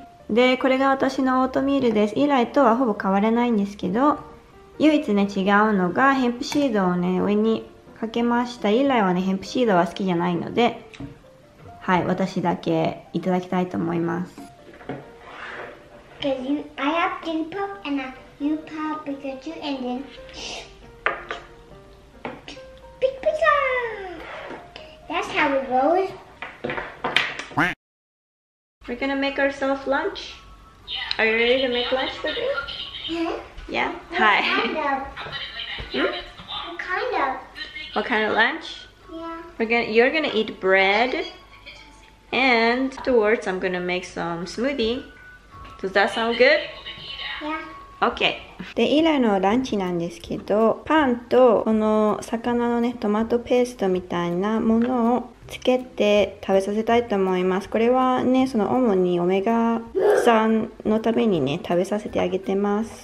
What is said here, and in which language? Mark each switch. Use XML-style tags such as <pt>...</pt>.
<ja>で、これが私のオートミールです。以来とはほぼ変わらないんですけど、唯一ね、違うのが、ヘンプシードをね、上にかけました。以来はね、ヘンプシードは好きじゃないので、はい、私だけいただきたいと思います。</ja> <en>Because you, I have to pop and you pop Pikachu and then... Big Pika! That's how it goes. We're gonna make ourselves lunch? Yeah. Are you ready to make lunch for this? Yeah? Hi. Kind of. What kind of lunch? Yeah. You're gonna eat bread. And afterwards, I'm gonna make some smoothie. Does that sound good? Yeah. Okay.</en> <ja>で、イライのランチなんですけど、パンとこの魚のね、トマトペーストみたいなものをつけて食べさせたいと思います。これはね、その主にオメガさんのためにね、食べさせてあげてます。</ja>